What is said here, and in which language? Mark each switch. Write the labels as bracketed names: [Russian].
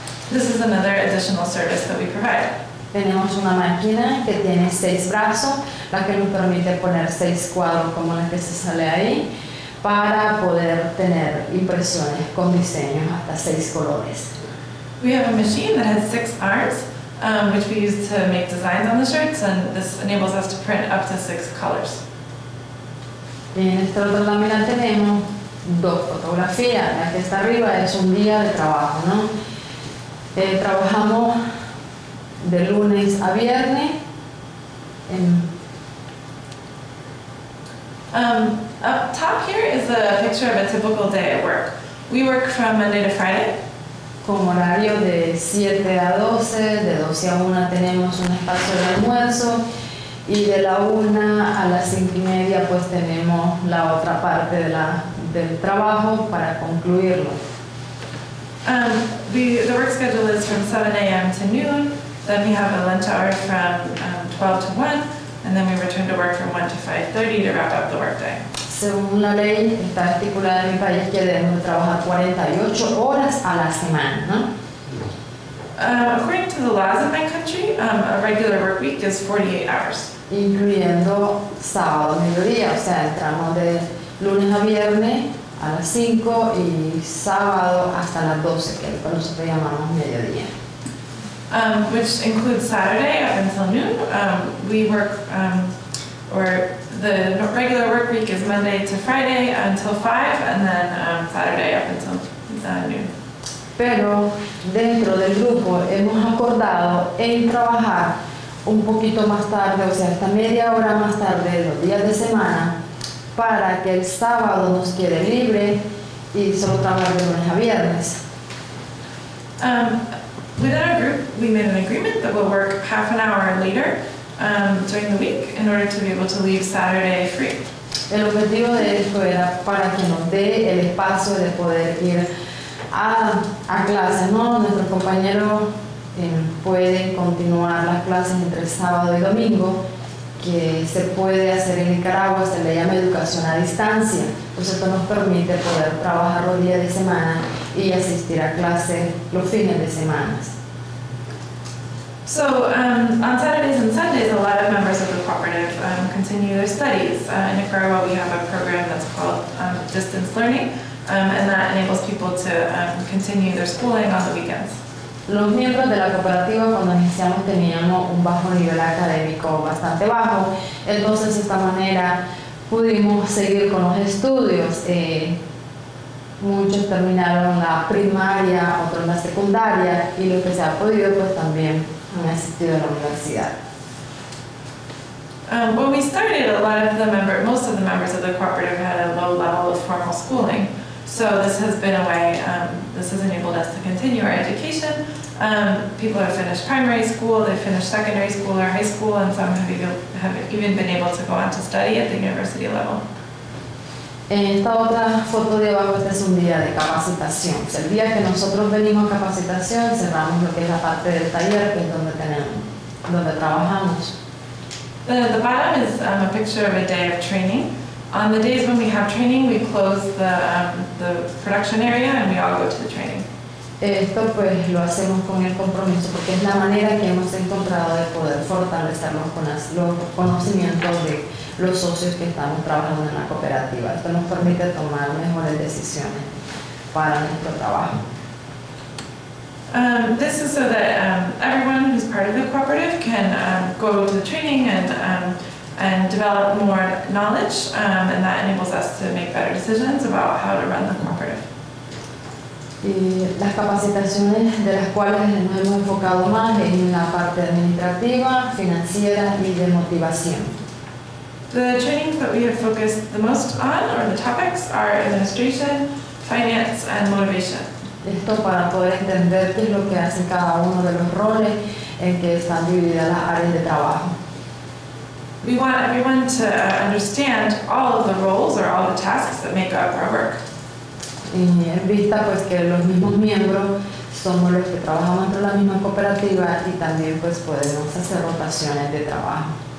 [English] This is another additional service that we provide. [Spanish] Tenemos una máquina que tiene 6 brazos, la que nos permite poner 6 cuadros como la que se sale ahí, para poder tener impresiones con diseños hasta 6 colores. [English] We have a machine that has 6 arms, which we use to make designs on the shirts, and this enables us to print up to 6 colors. [Spanish] En esta otra lámina tenemos 2 fotografías. La que está arriba es un día de trabajo, ¿no? Trabajamos de lunes a viernes. [English] Up top here is a picture of a typical day at work. We work from Monday to Friday. [Spanish] con horarios de 7 a 12, de 12 a 1 tenemos un espacio de almuerzo y de la 1 a las 5 y media pues tenemos la otra parte de la, del trabajo para concluirlo. [English] The work schedule is from 7 a.m. to noon, then we have a lunch hour from 12 to 1, and then we return to work from 1 to 5:30 to wrap up the workday. [Spanish] Según la ley, está estipulada en mi país que debemos trabajar 48 horas a la semana, ¿no? [English] According to the laws of my country, a regular work week is 48 hours. [Spanish] Incluyendo sábado, mediodía, o sea, entramos de lunes a viernes a las 5 y sábado hasta las 12, que es cuando nosotros llamamos mediodía. [English] Which includes Saturday up until noon. We work, or the regular work week is Monday to Friday until 5, and then Saturday up until noon. [Spanish] Pero dentro del grupo hemos acordado en trabajar un poquito más tarde, o sea, hasta media hora más tarde los días de semana, para que el sábado nos quede libre y solo trabajar de lunes a viernes. [English] Within our group, we made an agreement that we'll work half an hour later during the week in order to be able to leave Saturday free. [Spanish] El objetivo de esto era para que nos dé el espacio de poder ir a clases, ¿no? Nuestros compañeros pueden continuar las clases entre sábado y domingo, que se puede hacer en Nicaragua, se le llama educación a distancia. Pues esto nos permite poder trabajar los días de semana y asistir a clases los fines de semana. [English] So, on Saturdays and Sundays, a lot of members of the cooperative continue their studies. In Nicaragua, we have a program that's called distance learning, and that enables people to continue their schooling on the weekends. [Spanish] Los miembros de la cooperativa cuando iniciamos teníamos un bajo nivel académico bastante bajo, entonces de esta manera pudimos seguir con los estudios. Muchos terminaron la primaria, otros la secundaria, y los que se han podido pues también han asistido a la universidad. [English] When we started, most of the members of the cooperative had a low level of formal schooling. So this has been a way, this has enabled us to continue our education. People have finished primary school, they've finished secondary school or high school, and some have even been able to go on to study at the university level. [Spanish] En esta otra foto de abajo, este es un día de capacitación. Es el día que nosotros venimos a capacitación, cerramos lo que es la parte del taller, que es donde tenemos, donde trabajamos. [English] The bottom is a picture of a day of training. On the days when we have training, we close the production area and we all go to the training. [Spanish] Esto pues lo hacemos con el compromiso porque es la manera que hemos encontrado de poder fortalecernos con los conocimientos de los socios que estamos trabajando en la cooperativa. Esto nos permite tomar mejores decisiones para nuestro trabajo. [English] This is so that everyone who's part of the cooperative can go to the training and develop more knowledge, and that enables us to make better decisions about how to run the cooperative. [Spanish] Y las capacitaciones de las cuales nos hemos enfocado más en la parte administrativa, financiera y de motivación. [English] The trainings that we have focused the most on, or the topics, are administration, finance, and motivation. [Spanish] Esto para poder entender qué es lo que hace cada uno de los roles en que están divididas las áreas de trabajo. [English] We want everyone to understand all of the roles or all the tasks that make up our work. [Spanish] Y en vista pues que los mismos miembros somos los que trabajamos dentro de la misma cooperativa y también pues podemos hacer rotaciones de trabajo.